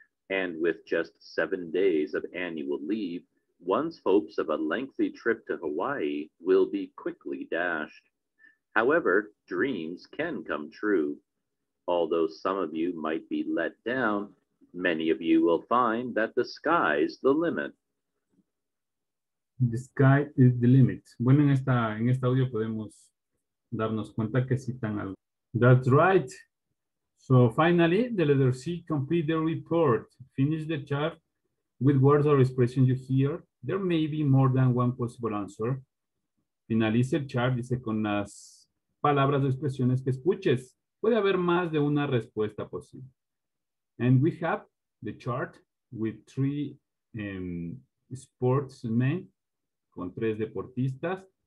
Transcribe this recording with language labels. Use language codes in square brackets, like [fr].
[en] And with just 7 days of annual leave, one's hopes of a lengthy trip to Hawaii will be quickly dashed. However, dreams can come true. Although some of you might be let down, many of you will find that the sky's the limit. The sky is the limit. [es] Bueno, en esta audio podemos darnos cuenta que citan algo. [en] That's right. So finally, the letter C, complete the report. Finish the chart with words or expressions you hear. There may be more than one possible answer. [es] Finalice el chart, dice, con las palabras o expresiones que escuches. Puede haber más de una respuesta posible. [en] And we have the chart with three sportsmen, [es] con tres deportistas.